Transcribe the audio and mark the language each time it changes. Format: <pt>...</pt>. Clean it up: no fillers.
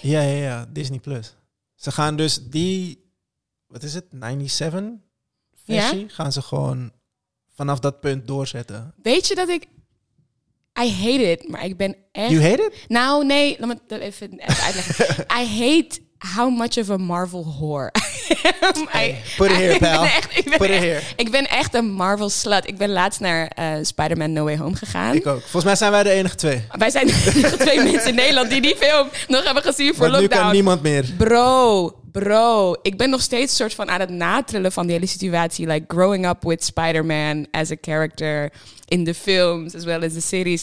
<nl>Ja, Disney+. Ze gaan dus die, 97 versie, ja? Gaan ze gewoon vanaf dat punt doorzetten. Weet je dat ik...</nl> <en>I hate it,</en> <nl>maar ik ben echt...</nl> <en>You hate it?</en> <nl>Nou, nee, laat me dat even uitleggen.</nl> <en>I hate how much of a Marvel whore. Hey, put it here, pal.</en> <nl>Ik ben echt een Marvel slut. Ik ben laatst naar Spider-Man No Way Home gegaan. Ik ook. Volgens mij zijn wij de enige twee. Wij zijn de enige twee mensen in Nederland die die film nog hebben gezien voor lockdown. Maar nu kan niemand meer. Bro, ik ben nog steeds soort van aan het natrillen van die hele situatie.</nl> <en>Like, growing up with Spider-Man as a character in the films as well as the series.</en>